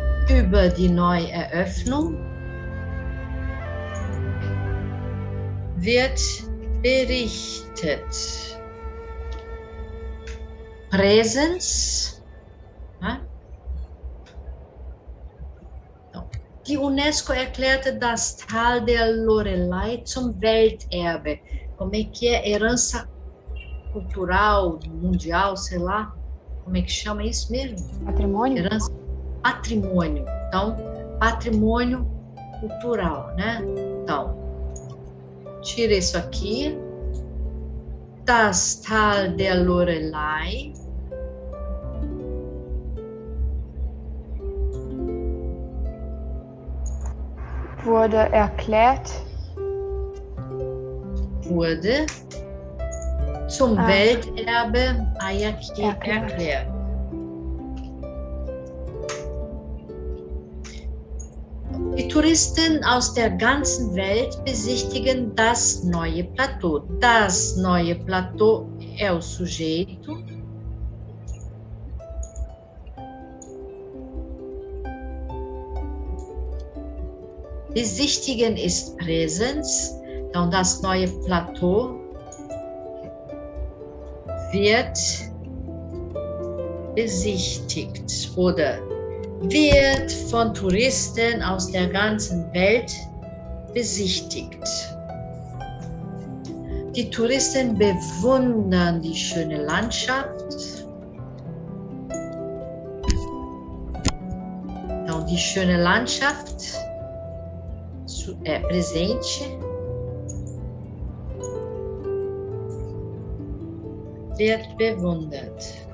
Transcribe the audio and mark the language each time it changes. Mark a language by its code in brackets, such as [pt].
[de] Über die Neueröffnung wird berichtet. Präsens. Die UNESCO erklärte das Tal der Lorelei zum Welterbe. [pt] Como é que é? Herança cultural, mundial, sei lá, como é que chama isso mesmo? Patrimônio? Herança, patrimônio. Então, patrimônio cultural, né? Então, tira isso aqui. [de] Das Tal der Lorelei. Wurde erklärt. Wurde zum Welterbe Ayaki erklärt. Die Touristen aus der ganzen Welt besichtigen das neue Plateau. Das neue Plateau [pt] é o sujeito. [de] Besichtigen ist Präsens. Então, das neue Plateau wird besichtigt oder wird von Touristen aus der ganzen Welt besichtigt. Die Touristen bewundern die schöne Landschaft. [pt] Então, [de] die schöne Landschaft [pt] é presente. [de] Wird bewundert.